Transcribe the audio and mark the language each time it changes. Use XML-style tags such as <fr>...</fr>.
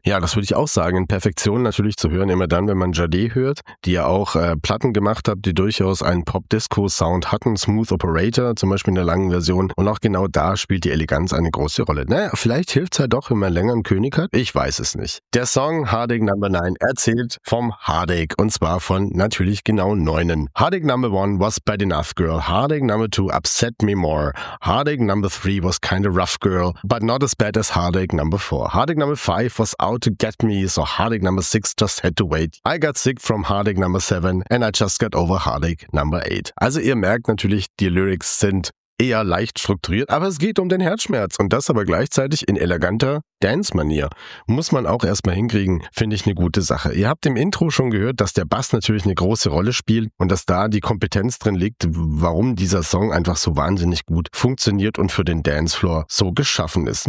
<de>Ja, das würde ich auch sagen. In Perfektion natürlich zu hören, immer dann, wenn man Jade hört, die ja auch Platten gemacht hat, die durchaus einen Pop-Disco-Sound hatten, Smooth Operator, zum Beispiel in der langen Version. Und auch genau da spielt die Eleganz eine große Rolle. Naja, vielleicht hilft es ja doch, wenn man länger einen König hat. Ich weiß es nicht. Der Song Heartache Number 9 erzählt vom Heartache und zwar von natürlich genau 9.</de> <en>Heartache Number 1 was bad enough, girl. Heartache Number 2 upset me more. Heartache Number 3 was kind of rough girl, but not as bad as heartache number 4. Heartache number 5 was out to get me, so heartache number 6 just had to wait. I got sick from heartache number 7 and I just got over heartache number 8.</en> <de>Also ihr merkt natürlich, die Lyrics sind eher leicht strukturiert, aber es geht um den Herzschmerz und das aber gleichzeitig in eleganter Dance-Manier. Muss man auch erstmal hinkriegen, finde ich eine gute Sache. Ihr habt im Intro schon gehört, dass der Bass natürlich eine große Rolle spielt und dass da die Kompetenz drin liegt, warum dieser Song einfach so wahnsinnig gut funktioniert und für den Dancefloor so geschaffen ist.</de>